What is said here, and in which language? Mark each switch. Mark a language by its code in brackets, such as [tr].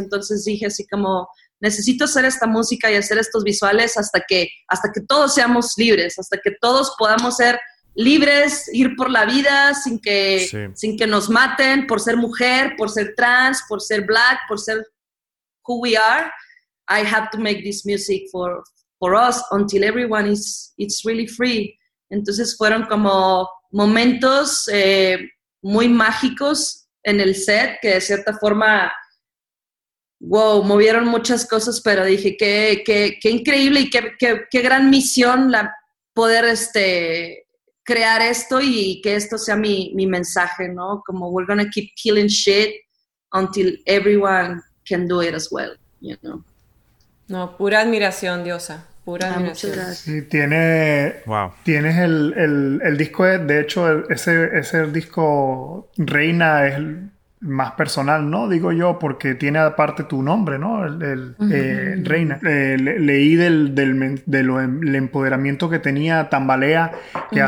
[es] Entonces dije así como, necesito hacer esta música y hacer estos visuales hasta que todos seamos libres, hasta que todos podamos ser libres, ir por la vida sin que nos maten por ser mujer, por ser trans, por ser black, por ser [en] who we are. I have to make this music for us until everyone it's really free. [es] Entonces fueron como momentos muy mágicos en el set que de cierta forma, wow, movieron muchas cosas, pero dije qué increíble y qué gran misión la poder crear esto y que esto sea mi mensaje, ¿no? [en] Como we're gonna keep killing shit until everyone can do it as well, you know. [es] No, pura admiración, Diosa. Pura admiración. Sí, tiene. Wow. Tienes el disco, de hecho, ese disco Reina es el más personal, ¿no? Digo yo, porque tiene aparte tu nombre, ¿no? El uh-huh. Reina. Leí del empoderamiento que tenía Tambalea, que uh-huh.